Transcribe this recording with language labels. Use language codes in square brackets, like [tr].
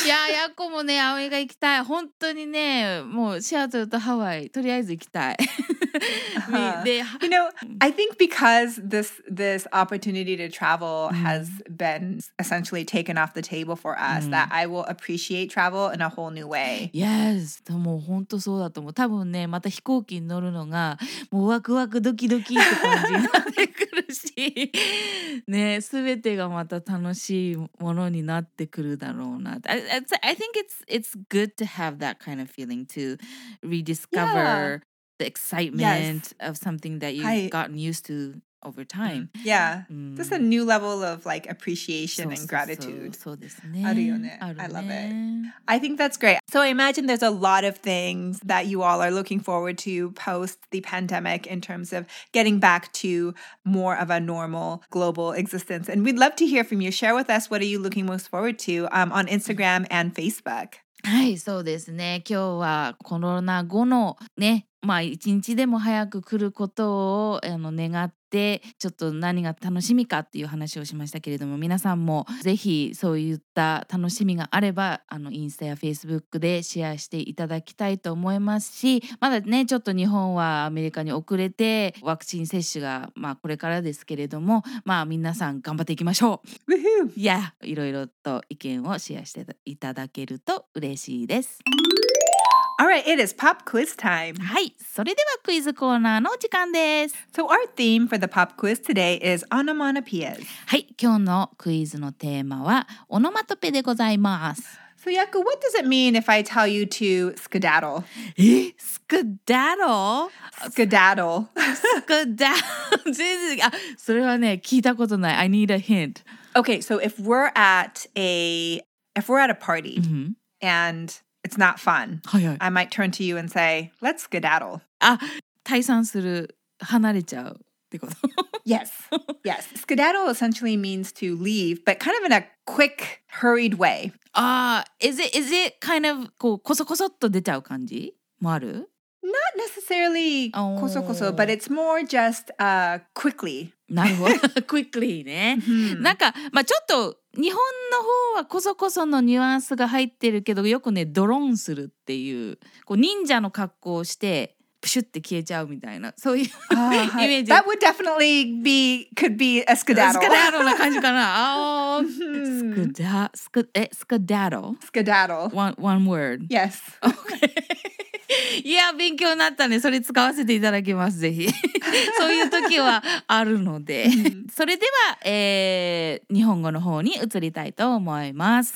[ja] いや、ヤコもね、アメリカ行きたい。本当にね、もうシアトルとハワイとりあえず行きたい。 Uh-huh. [en] You know, I think because this opportunity to travel mm-hmm. has been essentially taken off the table for us, mm-hmm. that I will appreciate travel in a whole new way. Yes, [ja] でも本当そうだと思う。多分ね、また飛行機に乗るのがもうワクワクドキドキって感じになってくるし、ね、全てがまた楽しいものになってくるだろうな。 [en] I think it's good to have that kind of feeling to rediscover.、 Yeah. The excitement、yes. of something that you've、はい、 gotten used to over time. Yeah,、mm. just a new level of like appreciation and gratitude. [ja] そうですね。あるよね。 [en] I love it. I think that's great. So I imagine there's a lot of things that you all are looking forward to post the pandemic in terms of getting back to more of a normal global existence. And we'd love to hear from you. Share with us what are you looking most forward to、on Instagram and Facebook. [ja] はい、そうですね。今日はコロナ後のね、まあ一日でも早く来ることを願って、ちょっと何が楽しみかっていう話をしましたけれども、皆さんもぜひそういった楽しみがあれば、インスタやフェイスブックでシェアしていただきたいと思いますし、まだね、ちょっと日本はアメリカに遅れて、ワクチン接種が、まあ、これからですけれども、まあ皆さん頑張っていきましょう。いろいろと意見をシェアしていただけると嬉しいです。 [en] All right, it is pop quiz time. [ja] はい、それではクイズコーナーの時間です。 [en] So our theme for the pop quiz today is onomatopoeias. [ja] はい、今日のクイズのテーマはオノマトペでございます。 [en] So Yaku, what does it mean if I tell you to skedaddle? [ja] え、skedaddle? [en] Skedaddle. Skedaddle. [ja] それはね、聞いたことない。 [en] I need a hint. Okay, so if we're at a party、 mm-hmm. and... It's not fun. [ja] はい、はい、 [en] I might turn to you and say, let's skedaddle. [ja] あ、退散する、離れちゃうってこと? [en] Yes, yes. Skedaddle essentially means to leave, but kind of in a quick, hurried way. Is it kind of [ja] こうコソコソっと出ちゃう感じ?もある? [en] Not necessarily コソコソ, but it's more just quickly. [ja] quickly ね。なんか、まあちょっと日本の方はコソコソのニュアンスが入ってるけど、よくね、ドローンするっていう、こう忍者の格好をして、 プシュッて消えちゃうみたいな、そういうイメージ。 [en] That would definitely be, could be a skedaddle. [ja] スカダドルな感じかな? [en] スカダドル?One word. Yes. Okay. [ja] いや、勉強になったね。それ使わせていただきます、ぜひ。そういう時はあるので。それでは、 日本語の方に移りたいと思います。